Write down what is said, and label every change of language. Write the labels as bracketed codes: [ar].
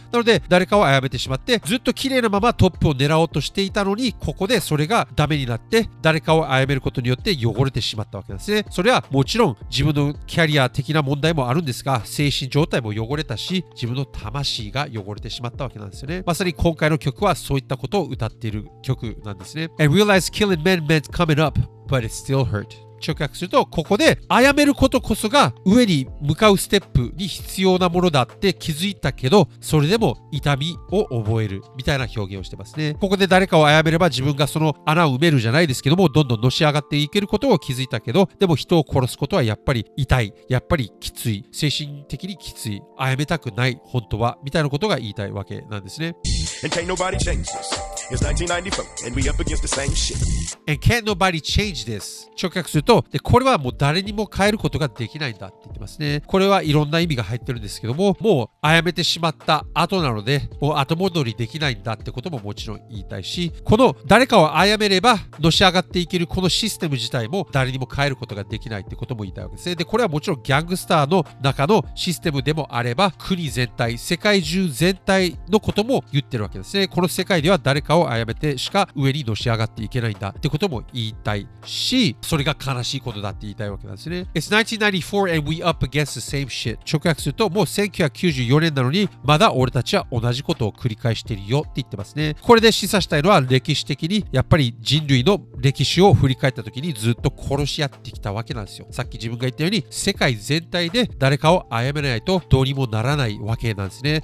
[ja] なので誰かを殺めてしまって、ずっと綺麗なままトップを狙おうとしていたのに、ここでそれがダメになって、誰かを殺めることによって汚れてしまったわけですね。それはもちろん自分のキャリア的な問題もあるんですが、精神状態も汚れたし、自分の魂が汚れてしまったわけなんですよね。まさに今回の曲はそういったことを歌っている曲なんですね。 [en] And realize killing men meant coming up, but it still hurt. [ja] 直訳すると、ここで殺めることこそが上に向かうステップに必要なものだって気づいたけど、それでも痛みを覚えるみたいな表現をしてますね。ここで誰かを殺めれば自分がその穴を埋めるじゃないですけども、どんどんのし上がっていけることを気づいたけど、でも人を殺すことはやっぱり痛い、やっぱりきつい、精神的にきつい、殺めたくない本当は、みたいなことが言いたいわけなんですね。 [en] And can't nobody change this. It's 1994 and we up against the same shit. And can't nobody change this. [ja] 直訳すると、でこれはもう誰にも変えることができないんだって言ってますね。これはいろんな意味が入ってるんですけども、もう殺めてしまった後なので、もう後戻りできないんだってことももちろん言いたいし、この誰かを殺めればのし上がっていけるこのシステム自体も誰にも変えることができないってことも言いたいわけですね。でこれはもちろんギャングスターの中のシステムでもあれば、国全体、世界中全体のことも言ってるわけですね。この世界では誰かを殺めてしか上にのし上がっていけないんだってことも言いたいし、それが悲しいことだって言いたいわけなんですね。 [en] It's 1994 and we up against the same shit. [ja] 直訳すると、もう1994年なのにまだ俺たちは同じことを繰り返しているよって言ってますね。これで示唆したいのは、歴史的にやっぱり人類の歴史を振り返った時にずっと殺し合ってきたわけなんですよ。さっき自分が言ったように、世界全体で誰かを殺めないとどうにもならないわけなんですね。